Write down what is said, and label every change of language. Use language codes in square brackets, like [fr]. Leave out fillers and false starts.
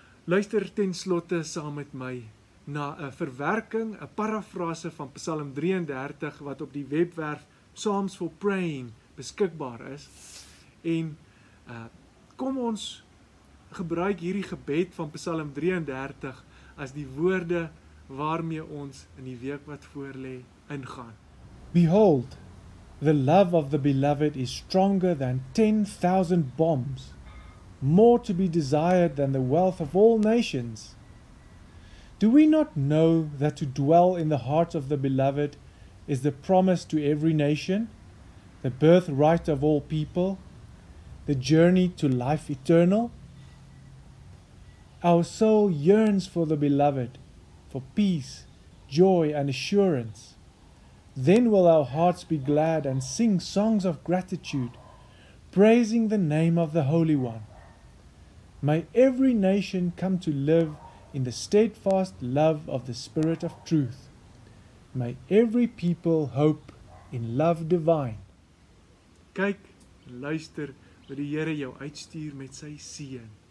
[af] Luister ten slotte saam met my na 'n verwerking, 'n parafrase van Psalm 33 wat op die webwerf Psalms for Praying beskikbaar is. En kom ons gebruik hierdie gebed van Psalm 33 as die woorde waarmee ons in die week wat voorlê ingaan. [en] Behold, the love of the beloved is stronger than 10,000 bombs, more to be desired than the wealth of all nations. Do we not know that to dwell in the heart of the beloved is the promise to every nation, the birthright of all people, the journey to life eternal? Our soul yearns for the beloved, for peace, joy, and assurance. Then will our hearts be glad and sing songs of gratitude, praising the name of the Holy One. May every nation come to live in the steadfast love of the Spirit of Truth. May every people hope in love divine. [af] Kyk, luister, wat die Here jou uitstuur met sy seën.